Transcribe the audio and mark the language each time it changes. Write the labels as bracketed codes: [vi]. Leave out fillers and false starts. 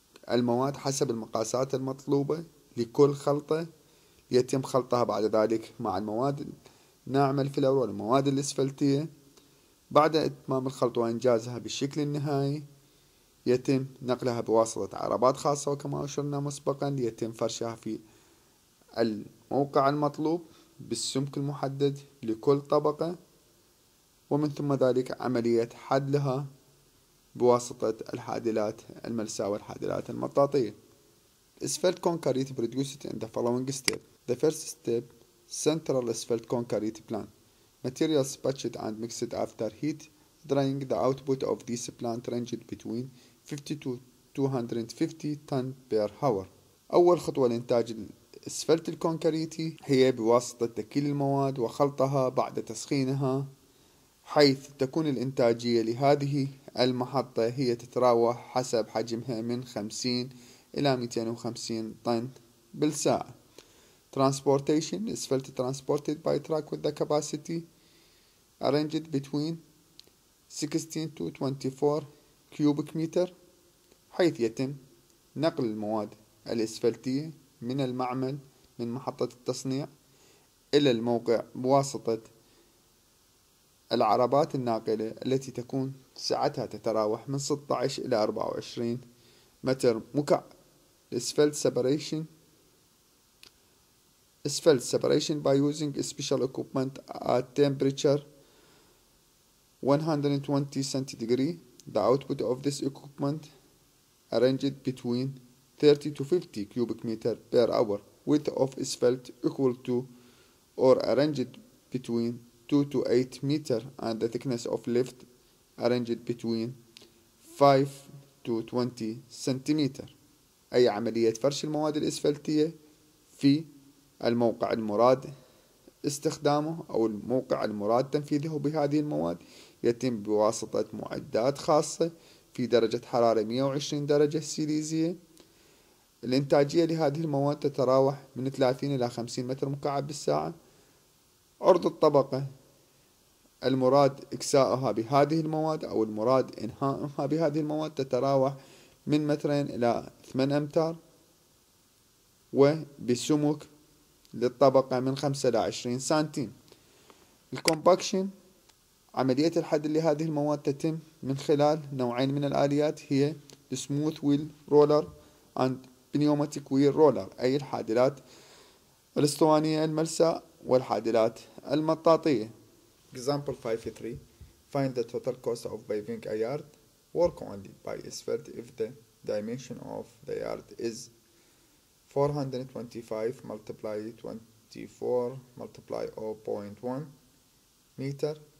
[ar] المواد حسب المقاسات المطلوبة لكل خلطة، يتم خلطها بعد ذلك مع المواد الناعمة الفلور والمواد الأسفلتية، بعد إتمام الخلط وإنجازها بالشكل النهائي يتم نقلها بواسطة عربات خاصة وكما أشرنا مسبقا يتم فرشها في الموقع المطلوب بالسمك المحدد لكل طبقة ومن ثم ذلك عملية حدلها بواسطة الحادلات الملساة والحادلات المطاطية. [en] Asphalt concrete produced عند following step. The first step, central asphalt concrete plant. Materials batched and mixed after heat drying. The output of this plant ranged between 50 to 250 tons per hour. [ar] أول خطوة لإنتاج الأسفلت الكونكريتي هي بواسطة تكيل المواد وخلطها بعد تسخينها، حيث تكون الإنتاجية لهذه المحطة هي تتراوح حسب حجمها من 50 إلى 250 طن بالساعة. [en] Transportation, asphalt transported by truck with the capacity arranged between 16 to 24 cubic meter. حيث يتم نقل المواد الأسفلتية من المعمل من محطة التصنيع إلى الموقع بواسطة العربات الناقلة التي تكون سعتها تتراوح من 16 إلى 24 متر مكعب. Asphalt separation. Asphalt separation by using special equipment at temperature 120 centigrade. The output of this equipment arranged between 30 to 50 cubic meter per hour. Width of asphalt equal to or arranged between 2 to 8 meter and the thickness of lift arranged between 5 to 20 centimeter. [ar] أي عملية فرش المواد الأسفلتية في الموقع المراد استخدامه أو الموقع المراد تنفيذه بهذه المواد يتم بواسطة معدات خاصة في درجة حرارة 120 درجة سيليزية. الإنتاجية لهذه المواد تتراوح من 30 إلى 50 متر مكعب بالساعة. عرض الطبقة المراد إكساؤها بهذه المواد أو المراد إنهاؤها بهذه المواد تتراوح من مترين إلى 8 أمتار، وبسمك للطبقة من 5 إلى 20 سنتيم. الكومباكشن عملية الحد لهذه المواد تتم من خلال نوعين من الآليات هي [en] Smooth Wheel Roller and Pneumatic Wheel Roller، [ar] أي الحادلات الاسطوانية الملساء والحادلات المطاطية. [en] Example 5.3 Find the total cost of paving a yard. Work only by asphalt if the dimension of the yard is 425 multiply 24 multiply 0.1 meter.